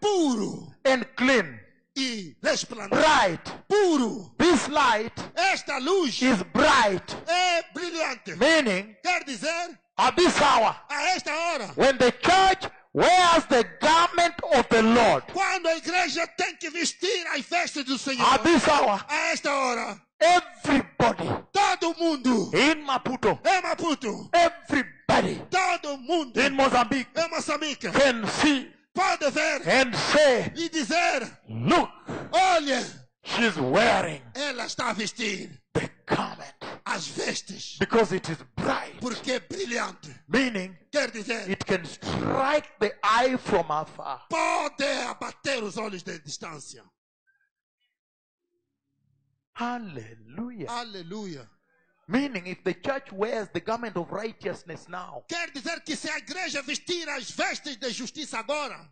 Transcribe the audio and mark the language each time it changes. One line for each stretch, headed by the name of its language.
Portuguese: Puro.
English: And clean.
Portuguese: E resplandente.
English: Bright.
Portuguese: Puro.
English: This light.
Portuguese: Esta luz.
English: Is bright.
Portuguese: É brilhante.
English: Meaning.
Portuguese: Quer dizer.
English: At this hour.
Portuguese: A esta hora.
English: When the church wears the garment of the Lord.
Portuguese: Quando a igreja tem que vestir a veste do Senhor.
English: At this hour.
Portuguese: A esta hora.
English: Everybody.
Portuguese: Todo mundo.
English: In Maputo.
Portuguese: Em Maputo.
English: Everybody.
Portuguese: Todo mundo.
English: In Mozambique.
Portuguese: Em Moçambique.
English: Can see.
Portuguese: Pode ver.
English: And say.
Portuguese: E dizer.
English: Look.
Portuguese: Olha.
English: She's wearing.
Portuguese: Ela está vestindo.
English: The garment.
Portuguese: As vestes.
English: Because it is bright.
Portuguese: Porque é brilhante.
English: Meaning.
Portuguese: Quer dizer.
English: It can strike the eye from afar.
Portuguese: Pode abater os olhos de distância. Hallelujah. Hallelujah.
English: Meaning, if the church wears the garment of righteousness now,
Portuguese: quer dizer que se a igreja vestir as vestes de justiça agora,